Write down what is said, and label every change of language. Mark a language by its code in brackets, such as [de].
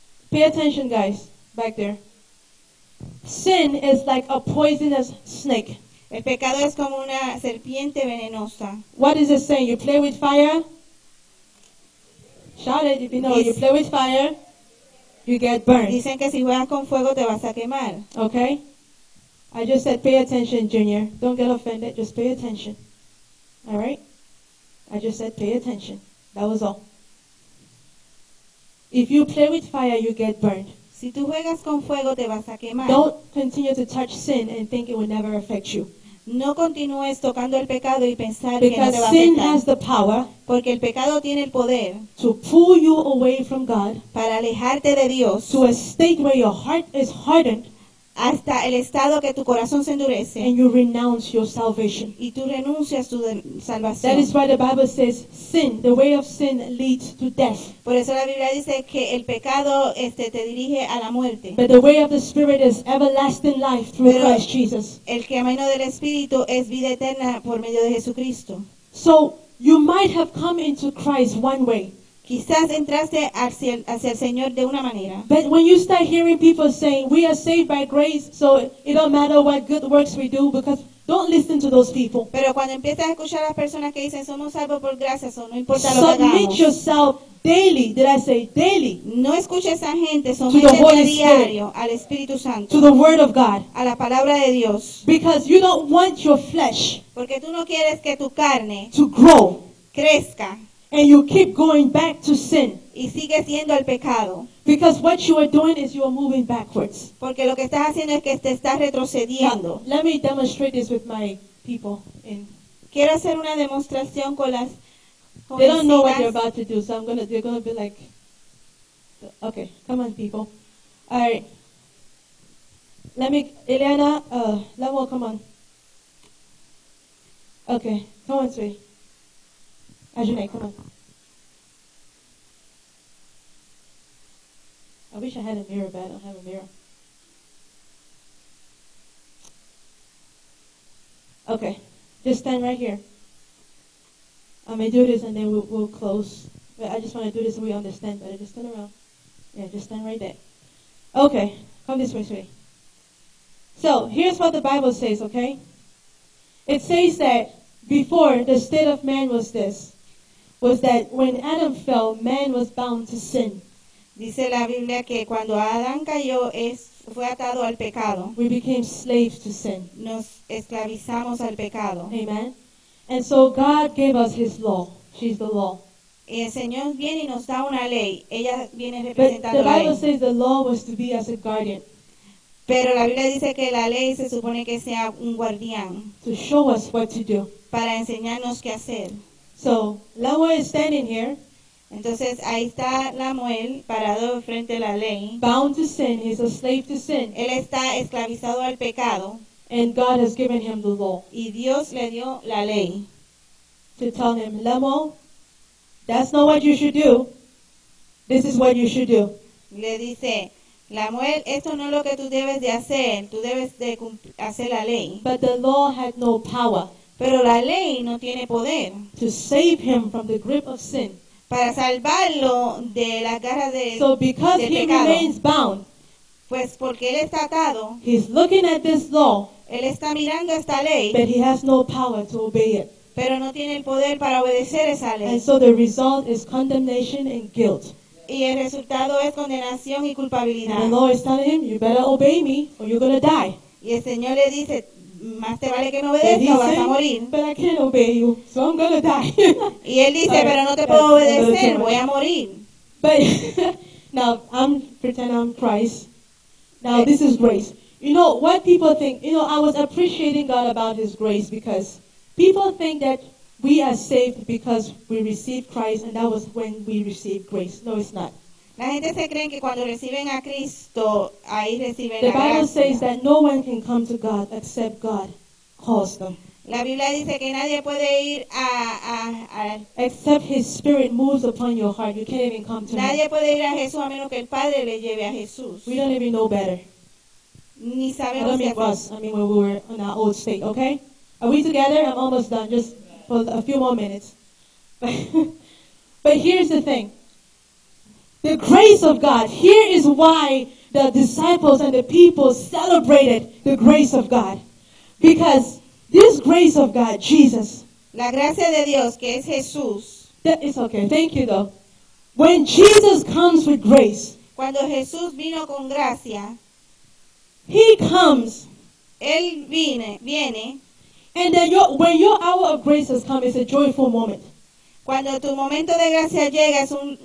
[en] Pay attention, guys, back there. Sin is like a poisonous snake. [es] El pecado es como una serpiente venenosa. [en] What is it saying? You play with fire? Shout it if you know. It's, you play with fire. You get burned. [es] Dicen que si juegas con fuego te vas a quemar. [en] Okay? I just said pay attention, Junior. Don't get offended. Just pay attention. Alright? I just said pay attention. That was all. If you play with fire, you get burned. [es] Si tú juegas con fuego te vas a quemar. [en] Don't continue to touch sin and think it will never affect you. [es] No continúes tocando el pecado y pensar [en] because [es] que no te va a afectar. [en] Sin has the power, [es] porque el pecado tiene el poder [en] to pull you away from God, [es] para alejarte de Dios, [en] to a state where your heart is hardened, [es] hasta el estado que tu corazón se endurece, [en] and you renounce your salvation. [es] Y tú renuncias tu salvación. [en] That is why the Bible says sin, the way of sin leads to death. [es] Por eso la Biblia dice que el pecado te dirige a la muerte. [en] But the way of the Spirit is everlasting life through [es] Pero [en] Christ Jesus. [es] El camino del Espíritu es vida eterna por medio de Jesucristo. [en] So you might have come into Christ one way. [es] Quizás entraste hacia el Señor de una manera. [en] But when you start hearing people saying, "We are saved by grace, so it don't matter what good works we do because Don't listen to those people. [es] Pero cuando empiezas a escuchar a las personas que dicen somos salvos por gracia, eso no importa lo que hagamos. [en] Submit yourself daily. Did I say daily? [es] No escuches a esa gente. Somete a diario al Espíritu Santo. [en] To the Word of God. [es] A la palabra de Dios. [en] Because you don't want your flesh. [es] Porque tú no quieres que tu carne. [en] To grow. [es] Crezca. [en] And you keep going back to sin. [es] Y sigues yendo al pecado. [en] Because what you are doing is you are moving backwards. [es] Porque lo que estás haciendo es que te estás retrocediendo. [en] Now, let me demonstrate this with my people. In. [es] Quiero hacer una demostración con las. [en] Con they don't know what you're about to do, so I'm gonna. They're gonna be like. Okay, come on, people. All right. Let me, Eliana. Lamo, come on. Okay, come on, Sway. Ajunay, come on. I wish I had a mirror, but I don't have a mirror. Okay, just stand right here. I may do this and then we'll close. But I just want to do this so we understand better. Just turn around. Yeah, just stand right there. Okay, come this way, sweetie. So, here's what the Bible says, okay? It says that before, the state of man was this. Was that when Adam fell, man was bound to sin. [es] Dice la Biblia que cuando Adán cayó fue atado al pecado. [en] We became slaves to sin. [es] Nos esclavizamos al pecado. [en] Amen. And so God gave us His law. She's the law. [es] Y el Señor viene y nos da una ley. Ella viene representando la ley. [en] But the Bible says the law was to be as a guardian. [es] Pero la Biblia dice que la ley se supone que sea un guardián. [en] To show us what to do. [es] Para enseñarnos qué hacer. [en] So Lawa is standing here. [es] Entonces ahí está Lamuel parado frente a la ley. [en] Bound to sin, he's a slave to sin. [es] Él está esclavizado al pecado. [en] And God has given him the law. [es] Y Dios le dio la ley. [en] To tell him, Lamuel, that's not what you should do. This is what you should do. [es] Le dice, Lamuel, esto no es lo que tú debes de hacer. Tú debes de hacer la ley. [en] But the law had no power. [es] Pero la ley no tiene poder. [en] To save him from the grip of sin. [es] Para salvarlo de la garra del pecado. [en] So because he remains bound, [es] pues porque él está atado, [en] he's looking at this law, [es] él está mirando esta ley, [en] but he has no power to obey it. [es] Pero no tiene el poder para obedecer esa ley. [en] And so the result is condemnation and guilt. [es] Y el resultado es condenación y culpabilidad. [en] And the law is telling him, you better obey me or you're going to die. [es] Y el Señor le dice, más te vale que me obedezca o vas a morir. [en] But I can't obey you, so I'm gonna die. [es] Y él dice, [en] right, [es] pero no te puedo obedecer, voy a morir. [en] But now I'm pretending I'm Christ. Now this is grace. You know what people think? You know, I was appreciating God about His grace because people think that we are saved because we received Christ and that was when we received grace. No, it's not. [es] La gente se cree que cuando reciben a Cristo, ahí reciben [en] the [es] la gracia. [en] The Bible says that no one can come to God except God calls them. [es] La Biblia dice que nadie puede ir a [en] except His Spirit moves upon your heart, you can't even come to [es] nadie [en] Him. [es] Puede ir a Jesús a menos que el Padre le lleve a Jesús. [en] We don't even know better. [es] Ni sabemos qué hacer. [en] I mean when we were in our old state, okay? Are we together? I'm almost done, just for a few more minutes. But here's the thing. The grace of God. Here is why the disciples and the people celebrated the grace of God. Because this grace of God, Jesus. [es] La gracia de Dios, que es Jesús. [en] That is okay. Thank you, though. When Jesus comes with grace. [es] Cuando Jesús vino con gracia. [en] He comes. [es] Él viene. [en] And then when your hour of grace has come, it's a joyful moment. [es] Cuando tu momento de gracia llega es un